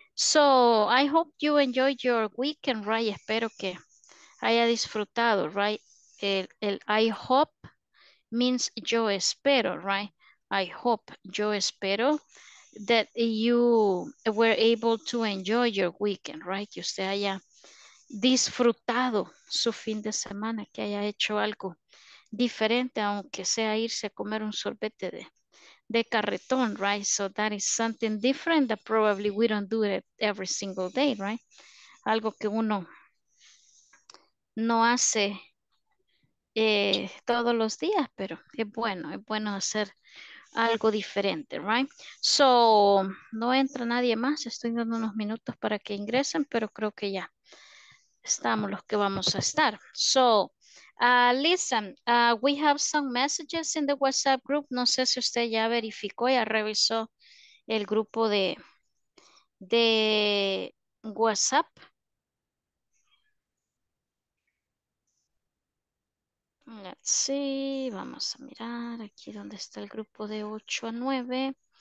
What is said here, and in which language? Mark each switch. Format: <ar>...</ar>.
<en>So I hope you enjoyed your weekend, right?</en> <es>Espero que haya disfrutado,</es> <en>right? El I hope means</en> <es>yo espero,</es> <en>right? I hope,</en> <es>yo espero</es> <en>that you were able to enjoy your weekend, right?</en> <es>Que usted haya disfrutado su fin de semana, que haya hecho algo diferente, aunque sea irse a comer un sorbete de carretón, right?</es> <en>So that is something different that probably we don't do it every single day, right?</en> <es>Algo que uno no hace todos los días, pero es bueno hacer algo diferente, right? So no entra nadie más, estoy dando unos minutos para que ingresen, pero creo que ya estamos los que vamos a estar.</es> <en>So listen, we have some messages in the WhatsApp group.</en> <es>No sé si usted ya verificó, ya revisó el grupo de WhatsApp.</es> <en>Let's see,</en> <es>vamos a mirar aquí donde está el grupo de 8 a 9.</es>